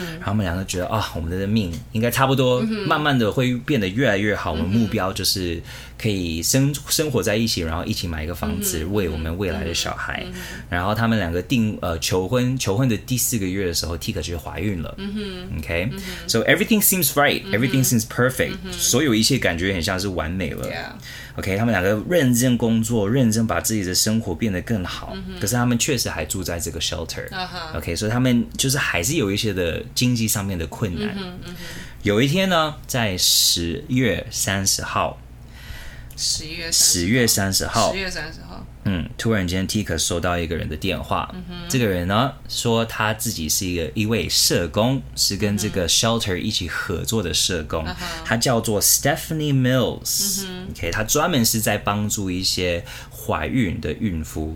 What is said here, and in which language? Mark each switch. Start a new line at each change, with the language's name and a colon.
Chinese: 然后他们两个觉得啊、哦，我们的命应该差不多、嗯、慢慢的会变得越来越好、嗯、我们目标就是可以 生活在一起，然后一起买一个房子、嗯、为我们未来的小孩、嗯、然后他们两个求婚的第四个月的时候 Tika 就怀孕了、嗯、 OK、嗯、
English: So everything seems right、嗯、 Everything seems perfect、嗯、
Chinese: 所有一切感觉很像是完美了、 yeah. OK 他们两个认真工作，认真把自己的生活变得更好、嗯、可是他们确实还住在这个 shelter、 uh-huh. OK 所以他们就是还是有一些的经济上面的困难、嗯嗯、有一天呢在10月30号 10月30号，突然间 Tika 收到一个人的电话，嗯、这个人呢说他自己是一位社工，是跟这个 shelter 一起合作的社工，嗯、他叫做 Stephanie Mills，、嗯、 OK， 他专门是在帮助一些怀孕的孕妇、